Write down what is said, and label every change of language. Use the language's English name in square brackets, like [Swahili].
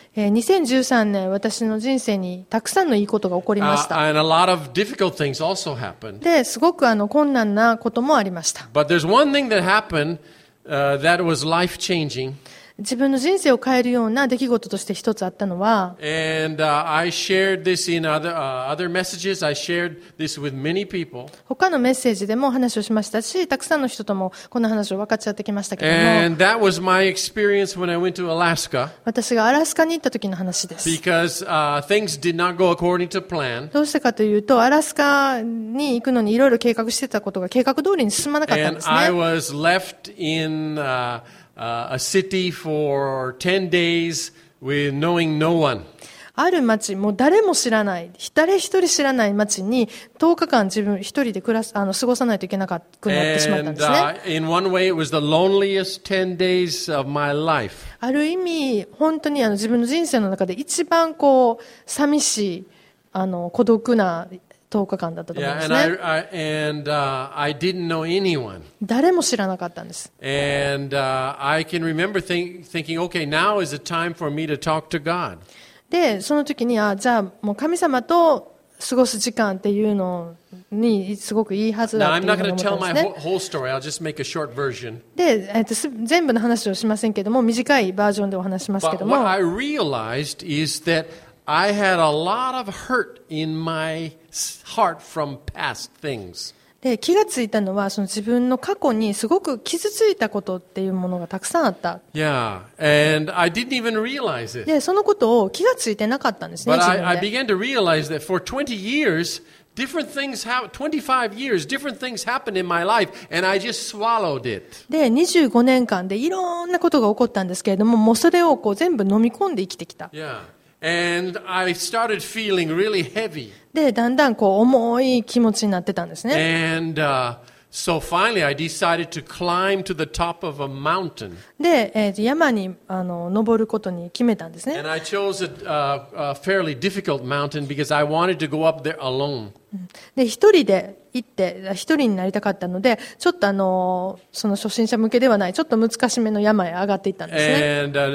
[Japanese] 2013年、私の人生にたくさんのいいことが起こりました。 [English] And a lot of difficult things also happened. [Japanese] で、すごく困難なこともありました。 [English] But there's one thing that happened that was life changing. [Japanese] 自分の人生を変えるような出来事として一つあったのは、 [English] And I shared this in other messages. I shared this with many people. [Japanese] 他のメッセージでも話をしましたし、たくさんの人ともこの話を分かち合ってきましたけども、 [English] And that was my experience when I went to Alaska. [Japanese] 私がアラスカに行った時の話です。 [English] Because things did not go according to plan. [Japanese] どうしてかというと、アラスカに行くのにいろいろ計画してたことが計画通りに進まなかったんですね。 [English] And I was left in a city for 10 days with knowing no one. [Japanese] ある町、もう誰も知らない、誰一人知らない町に10日間自分一人で暮らす、過ごさないといけなくなってしまったんですね。 [English] And in one way it was the loneliest 10 days of my life. [Japanese] ある意味、本当に自分の人生の中で一番こう寂しい、孤独な10日間だったと思うんですね。 [English] Yeah, and I didn't know anyone. [Japanese] 誰も知らなかったんです。 [English] And I can remember thinking, okay, now is the time for me to talk to God. [Japanese] で、その時に、じゃあもう神様と過ごす時間っていうのにすごくいいはずだというふうに思ったんですね。 [English] Now, whole story. I'll just make a short version. [Japanese] で、全部の話をしませんけども、短いバージョンでお話しますけども。 [English] But what I realized is that I had a lot of hurt in my heart from past things. [Japanese] で、気がついたのは、その自分の過去にすごく傷ついたことっていうものがたくさんあった。 [English] Yeah, and I didn't even realize it. [Japanese] で、そのことを気がついてなかったんですね。 [English] But I began to realize that for 20 years, different things have 25 years, different things happened in my life, and I just swallowed it. [Japanese] で、25年間でいろんなことが起こったんですけれども、もうそれをこう全部飲み込んで生きてきた。 [English] Yeah. And I started feeling really heavy. [Japanese] で、だんだんこう重い気持ちになってたんですね。 [English] And, so finally I decided to climb to the top of a mountain. [Japanese] で、山に登ることに決めたんですね。 [English] And I chose a fairly difficult mountain because I wanted to go up there alone. [Japanese] で、一人で行って、一人になりたかったので、ちょっとその初心者向けではない、ちょっと難しめの山へ上がっていったんですね。